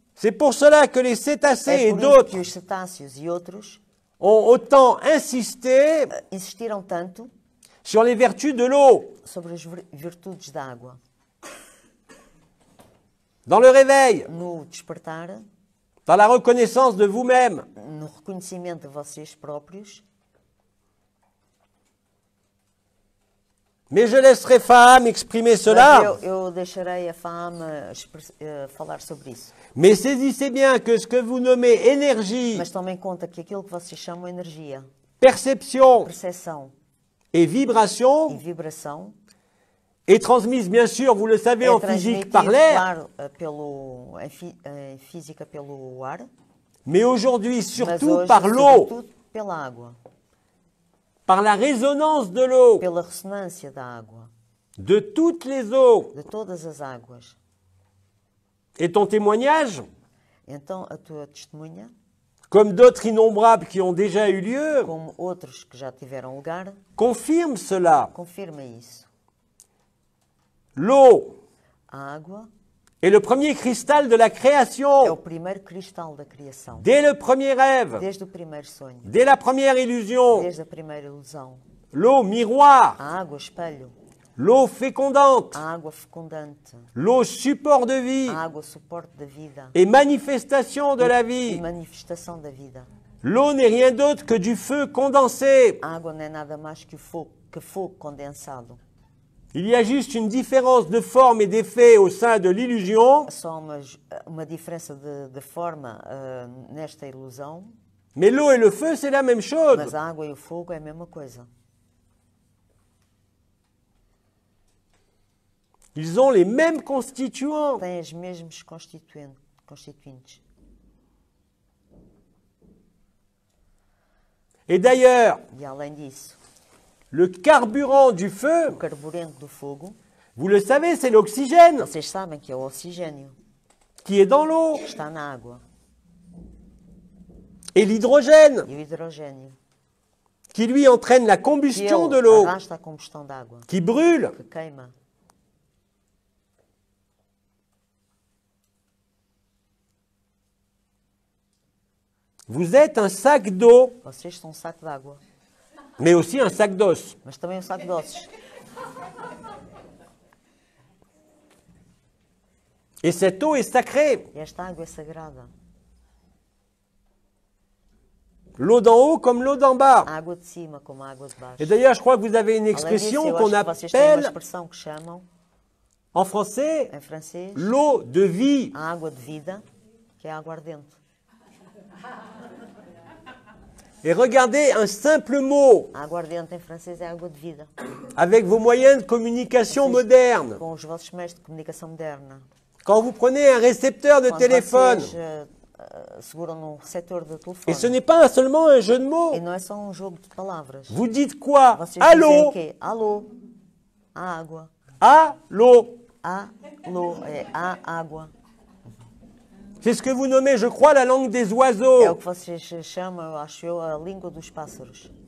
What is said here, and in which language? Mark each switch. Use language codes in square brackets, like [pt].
[fr] C'est pour cela que les cétacés et d'autres [pt] que os cetáceos e outros [fr] ont autant insisté [pt] insistiram tanto [fr] sur les vertus de l'eau. [pt] Sobre as virtudes da água. [fr] Dans le réveil. [pt] No despertar. [fr] Dans la reconnaissance de vous-même. [pt] No reconhecimento de vocês próprios. [fr] Mais je laisserai Faham exprimer cela. [pt] Eu deixarei a Faham falar sobre isso. [fr] Mais saisissez bien que ce que vous nommez énergie. [pt] Mas tomem conta que aquilo que vocês chamam energia. [fr] Perception. [pt] Percepção. [fr] Et vibration. [pt] E vibração. [fr] Est transmise bien sûr, vous le savez, en physique par l'air. [pt] Claro, pelo, em física pelo ar. [fr] Mais aujourd'hui surtout [pt] hoje, [fr] par l'eau. [pt] Pela água. [fr] Par la résonance de l'eau. [pt] Pela ressonância da água. [fr] De toutes les eaux. [pt] De todas as águas. [fr] Et ton témoignage. [pt] Então, a tua testemunha. [fr] Comme d'autres innombrables qui ont déjà eu lieu. [pt] Como outros que já tiveram lugar. [fr] Confirme cela. [pt] Confirma isso. [fr] L'eau. [pt] A água. [fr] Est le premier cristal de la création. [pt] É o primeiro cristal da criação. [fr] Dès le premier rêve. [pt] Desde o primeiro sonho. [fr] Dès la première illusion. [pt] Desde a primeira ilusão. [fr] L'eau miroir. [pt] A água espelho. [fr] L'eau fécondante. [pt] A água fecundante. [fr] L'eau support de vie. [pt] A água suporte da vida. [fr] Et manifestation de la vie. [pt] E manifestação da vida. [fr] L'eau n'est rien d'autre que du feu condensé. [pt] A água não é nada mais que fogo condensado. [fr] Il y a juste une différence de forme et d'effet au sein de l'illusion. [pt] Só uma diferença de forma nesta ilusão. [fr] Mais l'eau et le feu, c'est la même chose. [pt] Mas a água e o fogo é a mesma coisa. [fr] Ils ont les mêmes constituants. [pt] Têm as mesmas constituintes. [fr] Et d'ailleurs. [pt] E além disso. [fr] Le carburant du feu. [pt] O carburante do fogo. [fr] Vous le savez, c'est l'oxygène. [pt] Vocês sabem que é o oxigênio. [fr] Qui est dans l'eau. [pt] Está na água. [fr] Et l'hydrogène. [pt] E o hidrogênio. [fr] Qui lui entraîne la combustion de l'eau. [pt] Que arrasta a combustão d'água. [fr] Qui brûle. [pt] Que queima. [fr] Vous êtes un sac d'eau. [pt] Vocês são um saco d'água. [fr] Mais aussi un sac d'os. [pt] Mas também um saco d'ossos. [fr] Et cette eau est sacrée. [pt] E esta água é sagrada. [fr] L'eau d'en haut comme l'eau d'en bas. [pt] A água de cima como a água de baixo. [fr] Et d'ailleurs, je crois que vous avez une expression qu'on appelle [pt] uma expressão que chamam [fr] en français, [pt] em francês, [fr] l'eau de vie. [pt] A água de vida, que é a água ardente. [fr] Et regardez un simple mot. [pt] Água ardente em francês é água de vida. [fr] Avec vos moyens de communication modernes. [pt] Com os vossos meios de comunicação moderna. [fr] Quand vous prenez un récepteur de [pt] Quando [fr] téléphone. [pt] Vocês, seguram num receptor de telefone. [fr] Et ce n'est pas seulement un jeu de mots. [pt] E não é só um jogo de palavras. [fr] Vous dites quoi? [pt] Vocês [fr] allô. [pt] Dizem que, allô. A água. [fr] Allô. [pt] Allô. É a água. [fr] C'est ce que vous nommez, je crois, la langue des oiseaux. [pt] É o que vocês chamam, eu acho, a língua dos pássaros.